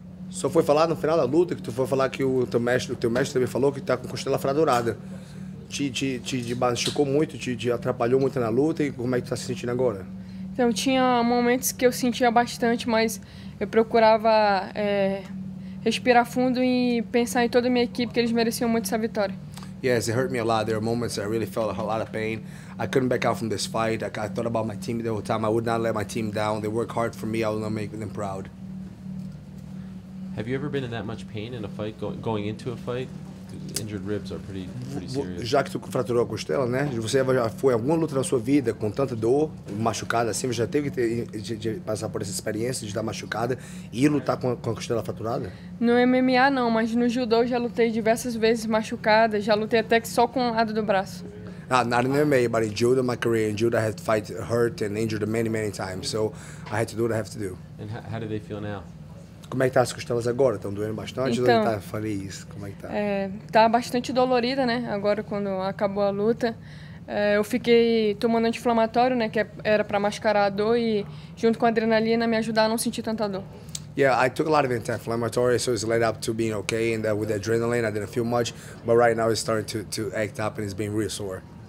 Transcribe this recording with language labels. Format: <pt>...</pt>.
<pt>Só foi falar no final da luta que tu foi falar que o teu mestre também falou que tá com costela fraturada. Te machucou muito, te atrapalhou muito na luta. E como é que tu tá se sentindo agora? Então, tinha momentos que eu sentia bastante, mas eu procurava respirar fundo e pensar em toda a minha equipe, que eles mereciam muito essa vitória.</pt> <en>Yes, it hurt me a lot. There are moments I really felt a lot of pain. I couldn't back out from this fight. I thought about my team the whole time. I would not let my team down. They work hard for me. I will not make them proud. Have you ever been in that much pain in a fight, going into a fight? Injured ribs are pretty serious.</en> <pt>Já que tu fraturou a costela, né? Você já foi alguma luta na sua vida com tanta dor, machucada assim? Você já teve que de passar por essa experiência de estar machucada e lutar com a costela fraturada? No MMA não, mas no judô já lutei diversas vezes machucada, já lutei até que só com um lado do braço.</pt> <en>Ah, not in MMA, but in judo, my career in judo, I had fight hurt and injured many, many times. So I had to do what I have to do. And how do they feel now?</en> <pt>Como é que tá as costelas agora? Estão doendo bastante? Então, tá, falei isso, como é que tá? Tá bastante dolorida, né? Agora, quando acabou a luta, eu fiquei tomando anti-inflamatório, né? Que era para mascarar a dor e, junto com a adrenalina, me ajudar a não sentir tanta dor.</pt> <en>Yeah, I took a lot of anti-inflammatory, so it's led up to being okay, and with the adrenaline, I didn't feel much, but right now it's starting to act up and it's being real sore.</en>